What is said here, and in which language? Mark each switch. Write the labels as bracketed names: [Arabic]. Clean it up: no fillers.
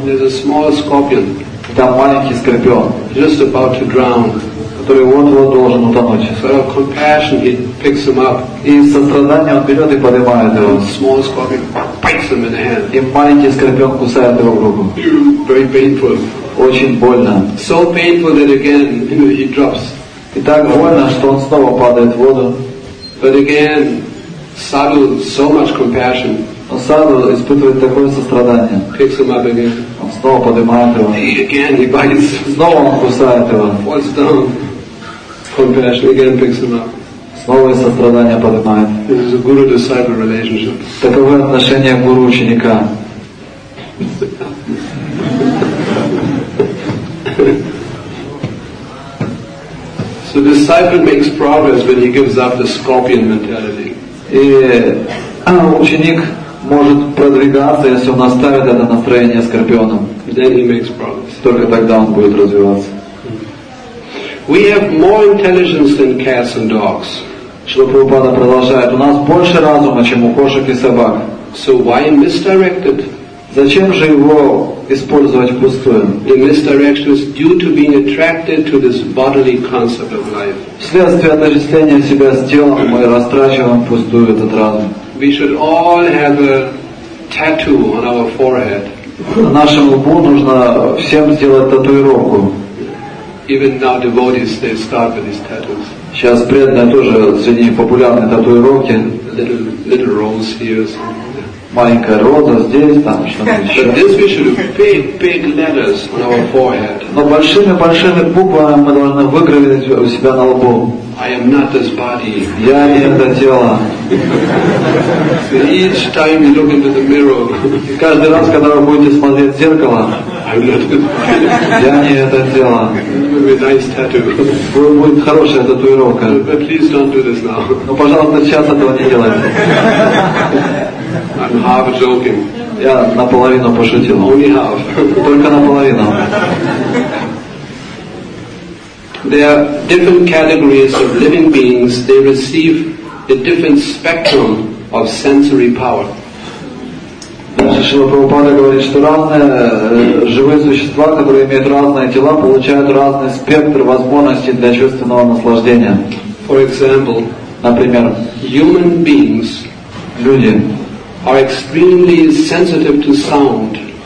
[English] There's a small scorpion. [Russian] Там маленький скорпион. [English] Just about to drown. [Russian] Который вот-вот должен утонуть. [English] So out of compassion he picks him up. [Russian] И сострадание он берет и поднимает его. [English] Small scorpion bites him in the hand. [Russian] И маленький скорпион кусает его в руку. [English] Very painful. [Russian] Очень больно. [English] So painful that again, you know, he drops. [Russian] И так больно, что он снова падает в воду. [English] But again, sadhu, so much compassion. [Russian] Но саду испытывает такое сострадание. [English] Picks him up again. [Russian] Он снова поднимает его. [English] Again, he bites. [Russian] Снова он кусает его. [English] Falls down. Compassion again picks him up. [Russian] Снова и сострадание поднимает. [English] This is a guru-disciple relationship. [Russian] Таково отношение гуру-ученика. [English] So the disciple makes progress when he gives up the scorpion mentality. [Russian] И ученик может продвигаться, если он оставит это настроение скорпионом. [English] Then he makes progress. [Russian] Только тогда он будет развиваться. [English] We have more intelligence than cats and dogs. [Russian] Шрила Прабхупада продолжает, у нас больше разума, чем у кошек и собак. [English] So why misdirect it? [Russian] Зачем же его использовать впустую? [English] The misdirection is due to being attracted to this bodily concept of life. [Russian] Вследствие отождествления себя с телом мы растрачиваем впустую этот разум. [English] We should all have a tattoo on our forehead. [Russian] Нашему лбу нужно всем сделать татуировку. [English] Even now devotees, they start with these tattoos. [Russian] Сейчас преданные тоже среди популярной татуировки. [English] Little rose here. [Russian] Маленькая роза здесь, там что-то еще. [English] Big letters on our forehead. [Russian] Но большими-большими буквами мы должны выгравить у себя на лбу. [English] I am not this body. [Russian] Я не это тело. [English] Each time you look into the mirror. [Russian] Каждый раз, когда вы будете смотреть в зеркало, я не это тело. [English] Nice [Russian] будет хорошая татуировка. [English] But please don't do this now. [Russian] Но, пожалуйста, сейчас этого не делайте. [English] I'm half joking. [Russian] Я наполовину пошутил. [English] Only half. [Russian] Только наполовину. [English] There are different categories of living beings. They receive a different spectrum of sensory power. [Russian] Шрила Прабхупада говорит, что разные живые существа, которые имеют разные тела, получают разный спектр возможностей для чувственного наслаждения. [English] For example, [Russian] например, [English] human beings, [Russian] люди, [English] are extremely sensitive to sound.